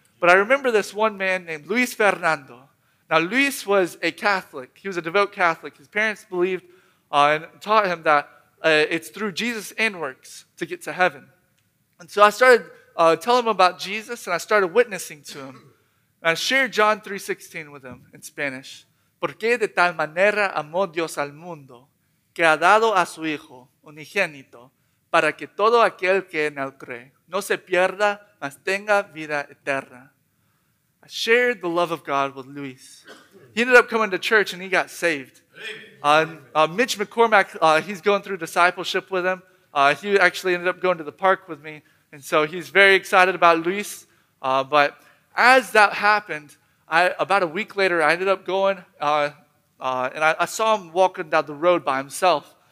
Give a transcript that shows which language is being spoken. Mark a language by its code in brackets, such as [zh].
[en] But I remember this one man named Luis Fernando. Now, Luis was a Catholic. He was a devout Catholic. His parents believed and taught him that it's through Jesus and works to get to heaven. And so I started telling him about Jesus, and I started witnessing to him. And I shared John 3:16 with him in Spanish. [es] ¿Por qué de tal manera amó Dios al mundo que ha dado a su Hijo unigénito para que todo aquel que en él cree no se pierda, mas tenga vida eterna? [en] I shared the love of God with Luis. He ended up coming to church and he got saved. Mitch McCormack, he's going through discipleship with him. He actually ended up going to the park with me. And so he's very excited about Luis. But as that happened, about a week later, I ended up going, and I saw him walking down the road by himself.